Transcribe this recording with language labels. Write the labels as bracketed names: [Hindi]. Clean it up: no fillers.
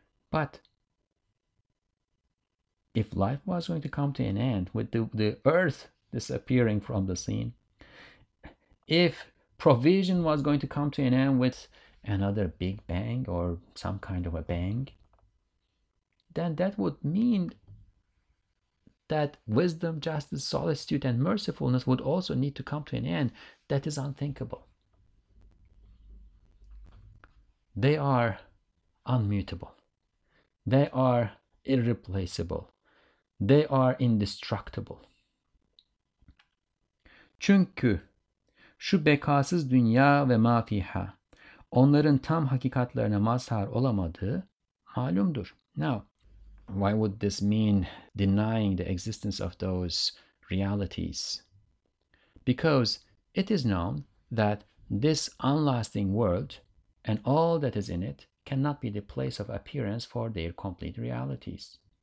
[English] But if life was going to come to an end with the earth disappearing from the scene, if provision was going to come to an end with another big bang or some kind of a bang, then that would mean that wisdom, justice, solicitude, and mercifulness would also need to come to an end. That is unthinkable. They are unmutable. They are irreplaceable. They are indestructible. [Turkish] Çünkü şu bekasız dünya ve ma fiha onların tam hakikatlerine mazhar olamadığı malumdur. [English] Now, why would this mean denying the existence of those realities? Because it is known that this unlasting world and all that is in it cannot be the place of appearance for their complete realities.